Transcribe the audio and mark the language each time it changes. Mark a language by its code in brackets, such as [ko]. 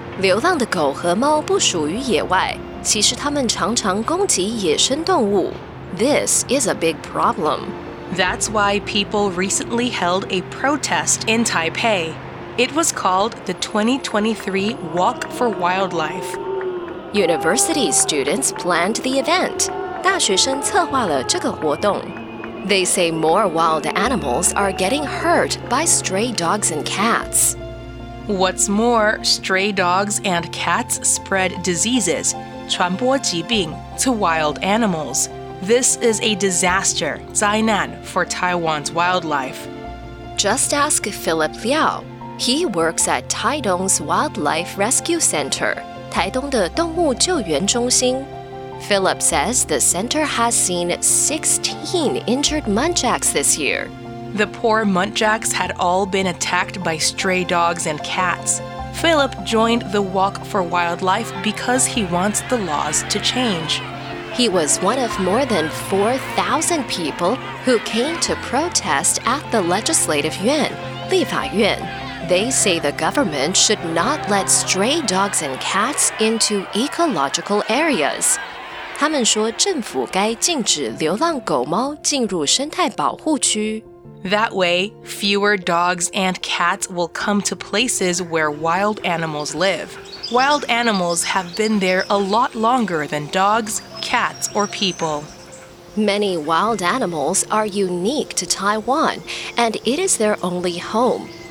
[zh] 流浪的狗和猫不属于野外。其实他们常常攻击野生动物。 [en] This is a big problem. That's why people recently held a protest in Taipei. It was called the 2023 Walk for Wildlife. University students planned the event. [zh] 大学生策划了这个活动。 [en] They say more wild animals are getting hurt by stray dogs and cats. What's more, stray dogs and cats spread diseases, [zh] 傳播疾病, [en] to wild animals. This is a disaster, [zh] 灾难, [en] for Taiwan's wildlife. Just ask Philip Liao. He works at Taitung's Wildlife Rescue Center, [zh] 台东的动物救援中心. [en] Philip says the center has seen 16 injured muntjacs this year. The poor muntjacs had all been attacked by stray dogs and cats. Philip joined the Walk for Wildlife because he wants the laws to change. He was one of more than 4,000 people who came to protest at the Legislative Yuan, [zh] 立法院. [en] They say the government should not let stray dogs and cats into ecological areas. [zh] 他们说政府该禁止流浪狗猫进入生态保护区. [en] That way, fewer dogs and cats will come to places where wild animals live. Wild animals have been there a lot longer than dogs, cats, or people. Many wild animals are unique to Taiwan, and it is their only home.